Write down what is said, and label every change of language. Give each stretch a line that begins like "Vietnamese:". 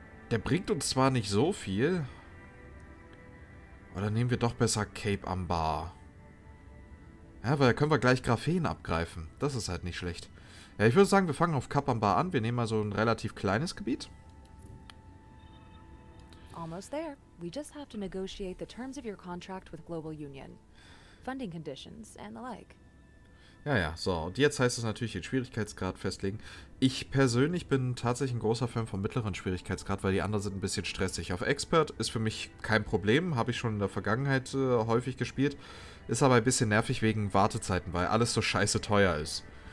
German: Der bringt uns zwar nicht so viel. Oder nehmen wir doch besser Cape Ambar. Ja, weil da können wir gleich Graphen abgreifen. Das ist halt nicht schlecht. Ja, ich würde sagen, wir fangen auf Cape Ambar an. Wir nehmen mal so ein relativ kleines Gebiet.
English: Almost there. We just have to negotiate the terms of your contract with Global Union. Funding conditions and the like.
German: Ja, so. Und jetzt heißt es natürlich, den Schwierigkeitsgrad festlegen. Ich persönlich bin tatsächlich ein großer Fan vom mittleren Schwierigkeitsgrad, weil die anderen sind ein bisschen stressig. Auf Expert ist für mich kein Problem, habe ich schon in der Vergangenheit häufig gespielt. Ist aber ein bisschen nervig wegen Wartezeiten, weil alles so scheiße teuer ist.